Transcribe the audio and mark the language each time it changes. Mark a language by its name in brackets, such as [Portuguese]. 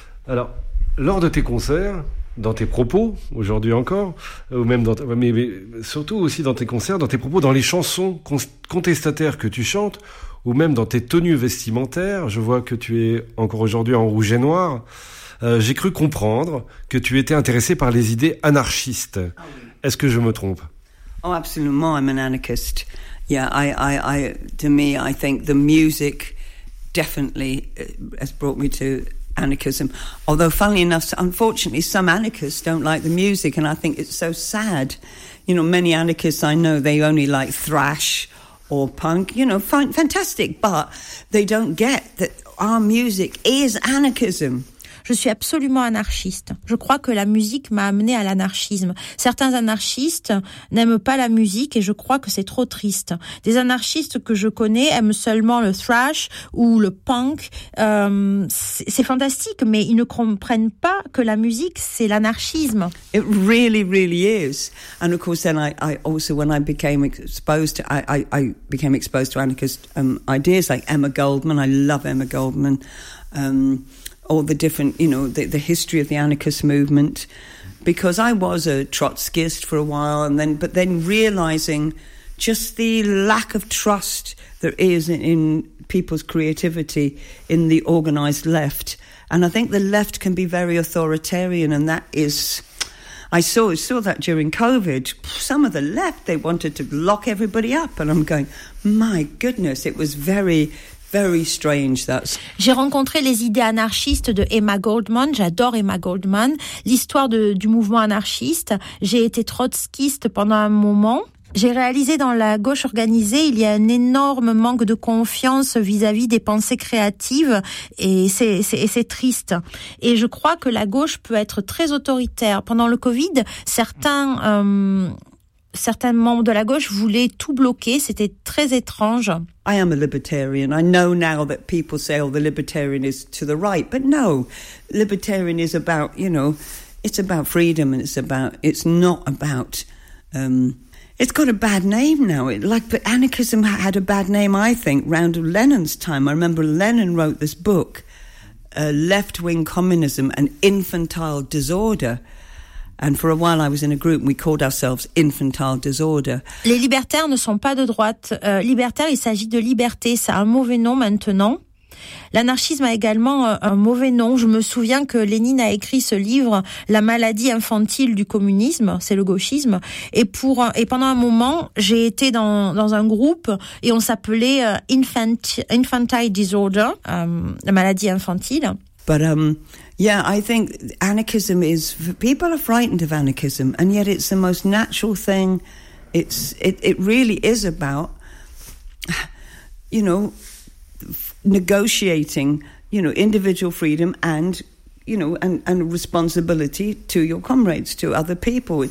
[French] Alors, lors de tes concerts, dans tes propos, aujourd'hui encore, ou même dans, mais surtout aussi dans tes concerts, dans tes propos, dans les chansons contestataires que tu chantes, ou même dans tes tenues vestimentaires, je vois que tu es encore aujourd'hui en rouge et noir, j'ai cru comprendre que tu étais intéressé par les idées anarchistes. Est-ce que je me trompe? [English] Oh, absolutely. I'm an anarchist. Yeah, I. To me, I think the music definitely has brought me to anarchism. Although, funnily enough, unfortunately, some anarchists don't like the music, and I think it's so sad. You know, many anarchists I know, they only like thrash or punk. You know, fantastic, but they don't get that our music is anarchism. [French] Je suis absolument anarchiste. Je crois que la musique m'a amené à l'anarchisme. Certains anarchistes n'aiment pas la musique et je crois que c'est trop triste. Des anarchistes que je connais aiment seulement le thrash ou le punk. C'est fantastique, mais ils ne comprennent pas que la musique, c'est l'anarchisme. [English] It really, really is. And of course, then I also, when I became exposed to, I became exposed to anarchist ideas like Emma Goldman. I love Emma Goldman. All the different, you know, the history of the anarchist movement, because I was a Trotskyist for a while, and then, but then realizing just the lack of trust there is in people's creativity in the organized left. And I think the left can be very authoritarian, and that is, I saw that during COVID. Some of the left, they wanted to lock everybody up, and I'm going, my goodness, it was very, very strange, that's. [French] J'ai rencontré les idées anarchistes de Emma Goldman. J'adore Emma Goldman. L'histoire du mouvement anarchiste. J'ai été trotskiste pendant un moment. J'ai réalisé dans la gauche organisée, il y a un énorme manque de confiance vis-à-vis des pensées créatives et c'est triste. Et je crois que la gauche peut être très autoritaire. Pendant le Covid, certains membres de la gauche voulaient tout bloquer. C'était très étrange. [English] I am a libertarian. I know now that people say, oh, the libertarian is to the right. But no, libertarian is about, you know, it's about freedom and it's not about, it's got a bad name now. But anarchism had a bad name, I think, round Lenin's time. I remember Lenin wrote this book, Left-Wing Communism, An Infantile Disorder. And for a while, I was in a group, and we called ourselves Infantile Disorder. [French] Les libertaires ne sont pas de droite. Libertaire, il s'agit de liberté. Ça a un mauvais nom maintenant. L'anarchisme a également un mauvais nom. Je me souviens que Lénine a écrit ce livre, La maladie infantile du communisme, c'est le gauchisme. Et pendant un moment, j'ai été dans un groupe et on s'appelait Infantile Disorder, la maladie infantile. [English] But yeah, I think anarchism is, people are frightened of anarchism, and yet it's the most natural thing. It really is about, you know, negotiating, you know, individual freedom and, you know, and responsibility to your comrades, to other people.